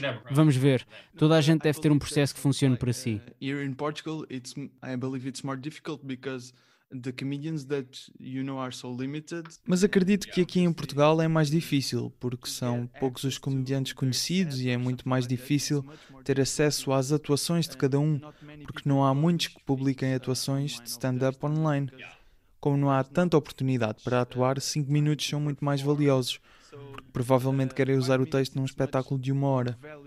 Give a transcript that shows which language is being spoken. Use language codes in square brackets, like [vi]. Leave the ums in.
[pt] Vamos ver, toda a gente deve ter um processo que funcione para si. [en] Here in Portugal, it's I believe it's more difficult because the comedians that you know are so limited. [pt] Mas acredito que aqui em Portugal é mais difícil, porque são poucos os comediantes conhecidos e é muito mais difícil ter acesso às atuações de cada um, porque não há muitos que publiquem atuações de stand-up online. Como não há tanta oportunidade para atuar, 5 minutos são muito mais valiosos, porque provavelmente querem usar o texto num espetáculo de uma hora.